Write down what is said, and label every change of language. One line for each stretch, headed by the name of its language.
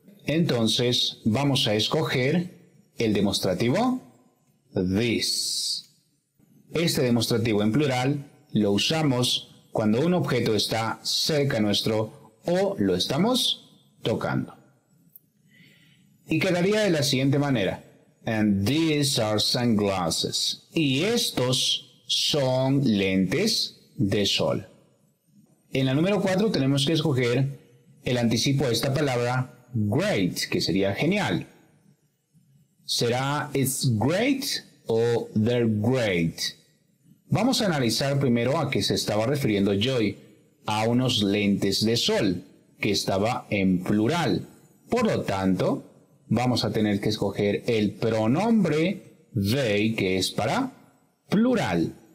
Spanish: Entonces, vamos a escoger el demostrativo this. Este demostrativo en plural lo usamos cuando un objeto está cerca nuestro o lo estamos tocando. Y quedaría de la siguiente manera.
English: And these are sunglasses.
Spanish: Y estos son lentes de sol. En la número 4 tenemos que escoger el anticipo a esta palabra great, que sería genial. ¿Será it's great o they're great? Vamos a analizar primero a qué se estaba refiriendo Joy. A unos lentes de sol, que estaba en plural. Por lo tanto, vamos a tener que escoger el pronombre they, que es para plural.